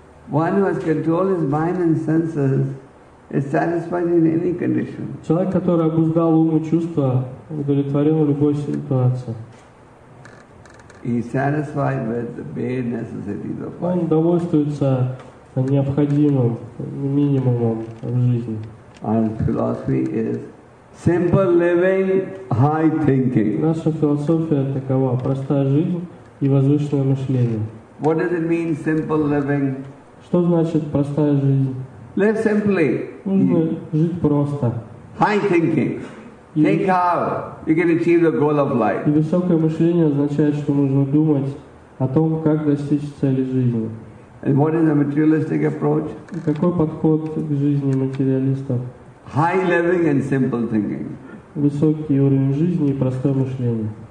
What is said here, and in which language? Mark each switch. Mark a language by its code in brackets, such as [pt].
[en] One who has controlled his mind and senses is satisfied in any condition. [ru] Человек, который обуздал ум и чувства, удовлетворен в любой ситуации. [en] He is satisfied with the bare necessities of life. [ru] Он довольствуется необходимым минимумом в жизни. [en] Our philosophy is simple living, high thinking. [ru] Наша философия такова: простая жизнь и возвышенное мышление. [en] What does it mean, simple living? [ru] Что значит простая жизнь? [en] Live simply. [ru] Нужно жить просто. [en] High thinking. Think how you can achieve the goal of life. [ru] И высокое мышление означает, что нужно думать о том, как достичь цели жизни. [en] And what is a materialistic approach? [ru] И какой подход к жизни материалистов? [en] High living and simple thinking. [ru] Высокий уровень жизни и простое мышление.